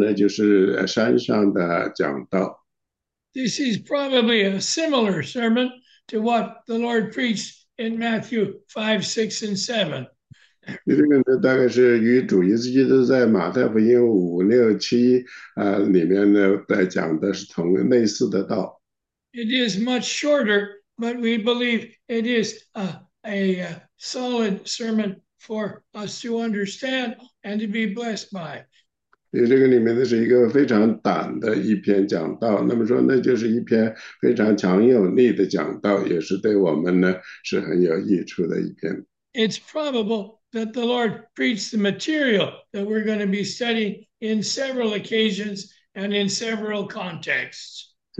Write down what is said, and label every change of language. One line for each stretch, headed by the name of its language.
Chinese: 所以这个里面呢，就是说我们要继续学43节。这个我们在真的在学的是呢，就是山上的讲道。
English: This is probably a similar sermon to what the Lord preached in Matthew 5, 6, and 7.
Chinese: 这个呢，大概是与主耶稣基督在马太福音5、6、7里面呢在讲的是同类似的道。
English: It is much shorter, but we believe it is a solid sermon for us to understand and to be blessed by.
Chinese: 所以这个里面呢是一个非常短的一篇讲道，那么说那就是一篇非常强有力的讲道，也是对我们呢是很有益处的一篇。
English: It's probable that the Lord preached the material that we're going to be studying in several occasions and in several contexts.